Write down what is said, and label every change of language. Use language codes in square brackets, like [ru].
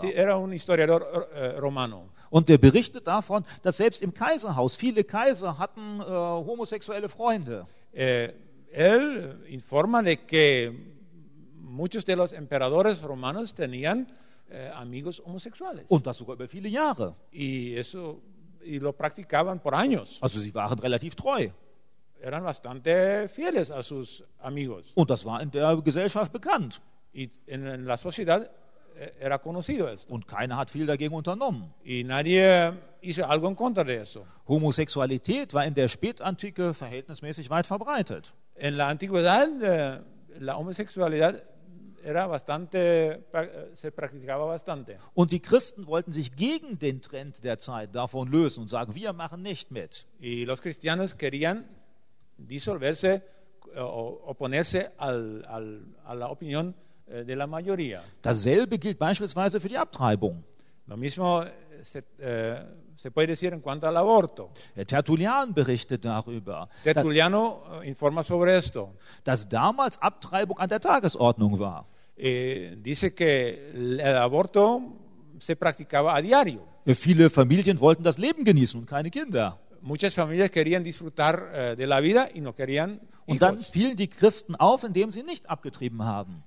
[es] Sí, era un historiador romano. [de] Und er berichtet davon, dass selbst im Kaiserhaus viele Kaiser hatten homosexuelle Freunde. [es] Él informa de que muchos de los emperadores romanos tenían amigos homosexuales. [de] Und das sogar über viele Jahre. [es] Y lo practicaban por años. [de] Also sie waren relativ treu. [es] Eran bastante fieles a sus amigos. [de] Und das war in der Gesellschaft bekannt. [es] Y en la sociedad era conocido esto. [de] Und keiner hat viel dagegen unternommen. [es] Y nadie hizo algo en contra de esto. [de] Homosexualität war in der Spätantike verhältnismäßig weit verbreitet. [es] En la antigüedad, la homosexualidad era bastante, se practicaba bastante. [de] Und die Christen wollten sich gegen den Trend der Zeit davon lösen und sagen, wir machen nicht mit. [es] Y los cristianos querían disolverse o oponerse a la opinión de la mayoría. [de] Dasselbe gilt beispielsweise für die Abtreibung. [es] Lo mismo se puede decir en cuanto al aborto. [de] Tertullian berichtet darüber. [es] Tertulliano informa sobre esto. [de] Dass damals Abtreibung an der Tagesordnung war. [es] Dice que el aborto se practicaba a diario. [de] Viele Familien wollten das Leben genießen und keine Kinder. [es] Muchas familias querían disfrutar de la vida y no querían hijos. [de] Und dann fielen die Christen auf, indem sie nicht abgetrieben haben.